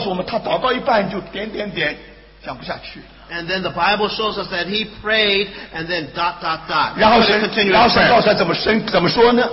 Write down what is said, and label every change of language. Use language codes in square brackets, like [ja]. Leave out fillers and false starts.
[zh] 圣经里面告诉我们他祷告一半就点点点。 [en] And then the Bible shows us that he prayed and then dot dot dot. [zh] 然后神告诉他怎么说呢?